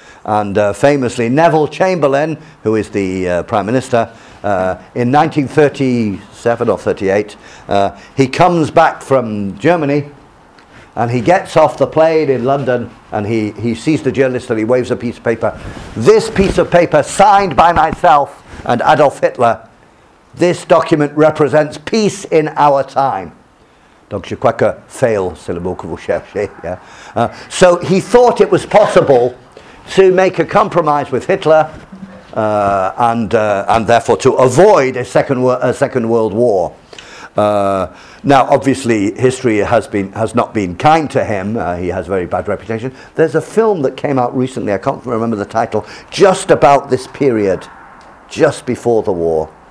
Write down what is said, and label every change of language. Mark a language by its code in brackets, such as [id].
[en] And famously, Neville Chamberlain, who is the Prime Minister, in 1937 or 38, he comes back from Germany and he gets off the plane in London and he sees the journalist and he waves a piece of paper. This piece of paper, signed by myself and Adolf Hitler, this document represents peace in our time. [fr] Donc je crois que fail, c'est le mot que vous cherchez. [en] Yeah. So he thought it was possible to make a compromise with Hitler and therefore to avoid a second world war. Now, obviously, history has not been kind to him. He has a very bad reputation. There's a film that came out recently, I can't remember the title, just about this period, just before the war.